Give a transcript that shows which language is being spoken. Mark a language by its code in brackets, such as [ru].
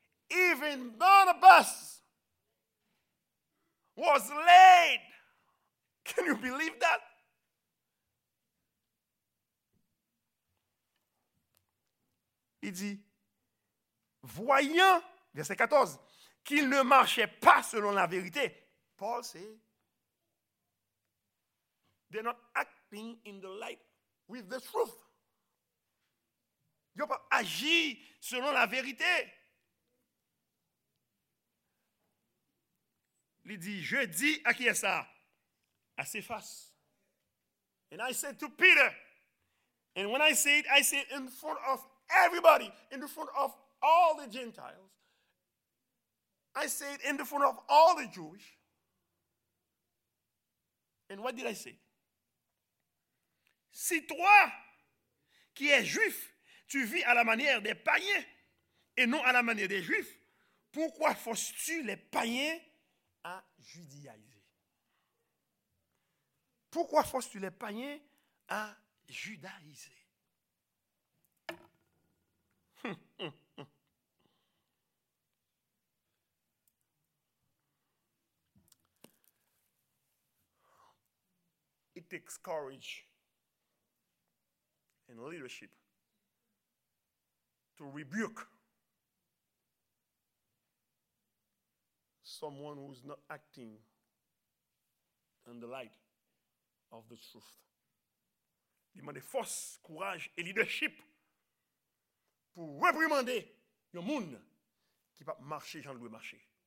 [en] Even Barnabas was led. Can you believe that? [fr] Il dit, voyant, verset 14, qu'il ne marchait pas selon la vérité. Paul dit, [en] they're not acting in the light with the truth. [fr] Ils n'ont pas agi selon la vérité. Il dit, je dis à qui est ça? À ses faces. [en] And I said to Peter, and when I said in front of everybody, in the front of all the Gentiles, I said in the front of all the Jewish, and what did I say? [fr] Si toi, qui es juif, tu vis à la manière des païens et non à la manière des juifs, pourquoi forces-tu les païens à judaïser? Pourquoi forces-tu les païens à judaïser? [en] It takes courage and leadership to rebuke someone who's not acting in the light of the truth. [fr] Il demande force, courage et leadership pour réprimander le monde qui va marcher, Jean-Louis marcher.